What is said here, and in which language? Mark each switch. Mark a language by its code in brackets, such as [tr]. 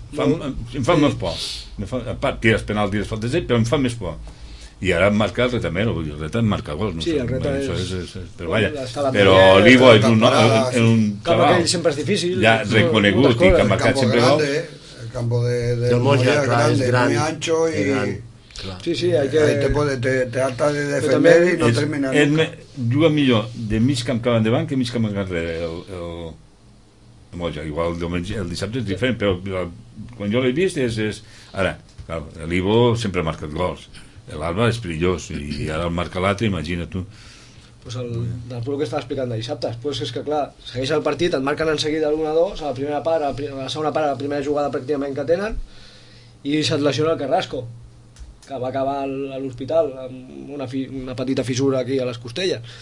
[ca] Sí. Em fa més por. A part, tires penal, tires falta, però em fa més por. I ara em marca el Reta Mero, el Reta em marca gols. No sí, el Reta és... Però vaja, però l'Ivo és un... És un cap cabal, aquell sempre és difícil. Ja reconegut i que ha marcat sempre gols. El campo de Moja és gran, és gran, [es] muy ancho y... [ca] Gran. [es] Sí, sí, hay que... te hasta de defender y no termina nunca. [ca] Juga millor de mig camp cap endavant que mig camp enrere, Moja, igual el dissabte és diferent, però quan jo l'he vist és... Ara, l'Ivo sempre ha marcat gols, l'Alba és perillós, i ara el marca l'altre, imagina't tu. Pues el que estava explicant de dissabte, pues és que clar, segueix el partit, et marquen en seguida l'1 a 2, a la primera part, a la segona part, a la primera jugada pràcticament que tenen, i se't lesiona el Carrasco, que va acabar a l'hospital amb una petita fissura aquí a les costelles.